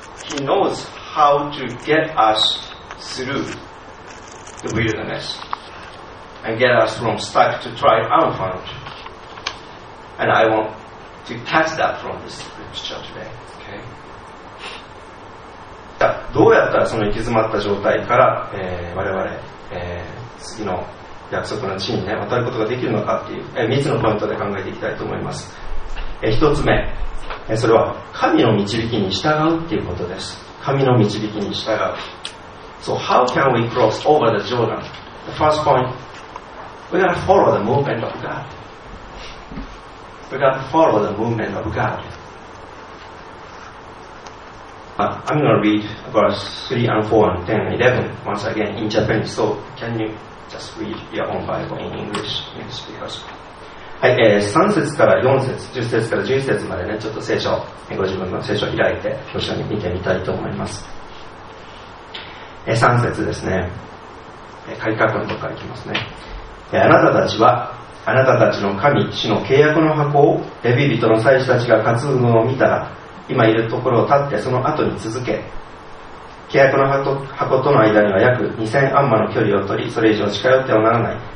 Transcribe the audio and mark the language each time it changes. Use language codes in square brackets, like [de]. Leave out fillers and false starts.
[en] He knows how to get us through the wilderness and get us from stuck to triumphant. And I want to catch that from this scripture today. Okay? [ja] どうやったらその行き詰まった状態から、我々、次の約束の地に、ね、渡ることができるのかっていう、3つのポイントで考えていきたいと思います。 1つ目、それは神の導きに従うっていうことです。神の導きに従う。 [en] So how can we cross over the Jordan? The first point, we gotta follow the movement of God. We gotta follow the movement of God. I'm gonna read verse 3 and 4 and 10 and 11 once again in Japanese. So can youJust read your own Bible in English, English speakers. [ja] はい、3節から4節、10節から11節までね、ちょっと聖書、ご自分の聖書を開いて、一緒に見てみたいと思います。 3節ですね。改革のところからいきますね。あなたたちは、あなたたちの神、主の契約の箱を、レビ人の祭司たちが担ぐのを見たら、今いるところを立ってその後に続け、契約の箱との間には約2000アンマの距離を取り、それ以上近寄ってはならない。